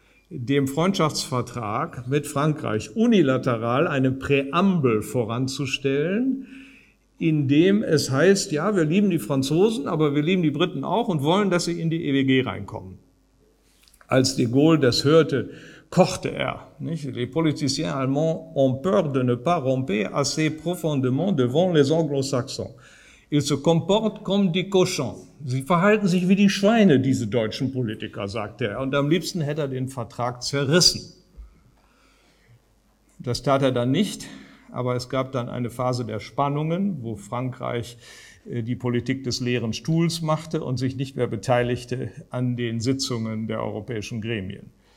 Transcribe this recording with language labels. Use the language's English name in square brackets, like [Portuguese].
[German] dem Freundschaftsvertrag mit Frankreich unilateral eine Präambel voranzustellen, in dem es heißt, ja, wir lieben die Franzosen, aber wir lieben die Briten auch und wollen, dass sie in die EWG reinkommen. Als de Gaulle das hörte, kochte er. Nicht? [French] Les politiciens allemands ont peur de ne pas romper assez profondément devant les anglo-saxons. Ils se comportent comme des cochons. [German] Sie verhalten sich wie die Schweine, diese deutschen Politiker, sagte er. Und am liebsten hätte er den Vertrag zerrissen. Das tat er dann nicht, aber es gab dann eine Phase der Spannungen, wo Frankreich die Politik des leeren Stuhls machte und sich nicht mehr beteiligte an den Sitzungen der europäischen Gremien.